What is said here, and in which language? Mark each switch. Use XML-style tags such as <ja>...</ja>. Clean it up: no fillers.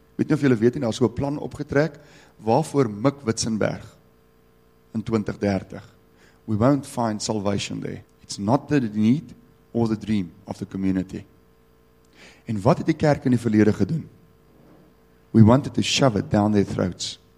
<af>Weet nie of julle weet nie, daar is so 'n plan opgetrek, waarvoor mik Witzenberg in 2030?</af> <en>We won't find salvation there. It's not the need or the dream of the community.</en> <af>En wat het die kerk in die verlede gedoen?</af> <en>We wanted to shove it down their throats.</en>